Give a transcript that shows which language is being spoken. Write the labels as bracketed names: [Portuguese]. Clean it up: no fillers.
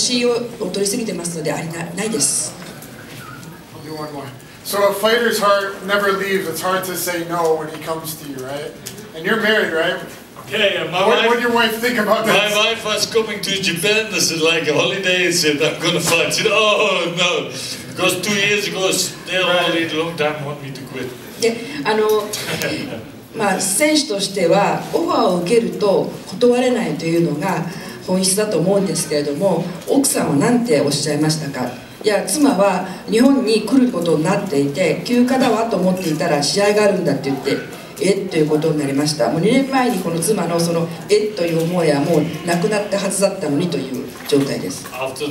[Japanese] いや、もう自分はもう2年前にも引退してますので、今回は本当に坂木原さんが助けてくれって言ったので、この大会を助けたかったんです。で、もうそのためだけにやったので、もう年を取りすぎてますので、ありないです。 [English] You want more? So a fighter's heart never leaves. It's hard to say no when he comes to you, right? And you're married, right? Yeah, what would your wife think about this? My wife was coming to Japan, this is like a holiday, and said, I'm gonna fight. She said, oh no, because 2 years ago, they already a long time want me to quit. [Japanese] まあ、選手としては、オファーを受けると断れないというのが本質だと思うんですけれども、奥さんは何ておっしゃいましたか? いや、妻は日本に来ることになっていて、休暇だわと思っていたら試合があるんだって言って、 えということになりました。もう2年前にこの妻のその、えという思いはもうなくなったはずだったのにという状態です。 [English] After